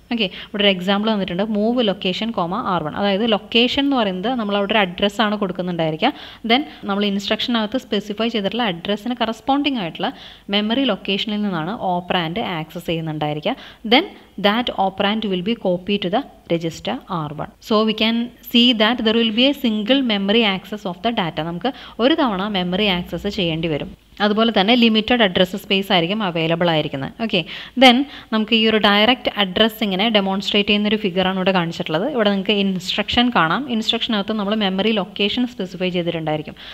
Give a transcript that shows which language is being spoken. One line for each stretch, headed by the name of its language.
Malayalam: Okay, ഇവിടെ ഒരു example വന്നിട്ടുണ്ട്. മൂവ് ലൊക്കേഷൻ R1, അതായത് ലൊക്കേഷൻ എന്ന് പറയുന്നത് നമ്മൾ അവിടെ ഒരു അഡ്രസ്സാണ് കൊടുക്കുന്നുണ്ടായിരിക്കുക. ദെൻ നമ്മൾ ഇൻസ്ട്രക്ഷനകത്ത് സ്പെസിഫൈ ചെയ്തിട്ടുള്ള അഡ്രസ്സിന് കറസ്പോണ്ടിങ് ആയിട്ടുള്ള മെമ്മറി ലൊക്കേഷനിൽ നിന്നാണ് operand access ചെയ്യുന്നുണ്ടായിരിക്കുക. Then
English: that operand will be copied to the register R1. So we can see that there will be a single memory access of the data.
Malayalam: നമുക്ക് ഒരു തവണ memory access ചെയ്യേണ്ടി വരും. അതുപോലെ തന്നെ ലിമിറ്റഡ് അഡ്രസ് സ്പേസ് ആയിരിക്കും available ആയിരിക്കുന്നത്. Okay, then നമുക്ക് ഈ ഒരു ഡയറക്റ്റ് അഡ്രസ്സിങ്ങിനെ ഡെമോൺസ്ട്രേറ്റ് ചെയ്യുന്നൊരു ഫിഗറാണ് ഇവിടെ കാണിച്ചിട്ടുള്ളത്. ഇവിടെ നിങ്ങൾക്ക് ഇൻസ്ട്രക്ഷൻ കാണാം. ഇൻസ്ട്രക്ഷനകത്ത് നമ്മൾ മെമ്മറി ലൊക്കേഷൻ സ്പെസിഫൈ ചെയ്തിട്ടുണ്ടായിരിക്കും.